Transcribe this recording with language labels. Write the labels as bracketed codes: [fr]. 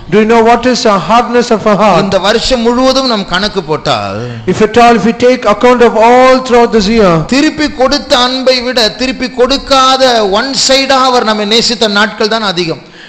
[en] Do you know what is the hardness of our heart? [ta] இந்த வருஷம் முழுவதும் நம் கணக்கு போட்டால், [en] if at all, if we take account of all throughout this year, [ta] திருப்பி கொடுத்த அன்பை விட திருப்பி கொடுக்காத one side அவர் நம்மை நேசித்த நாட்கள் தான் அதிகம்.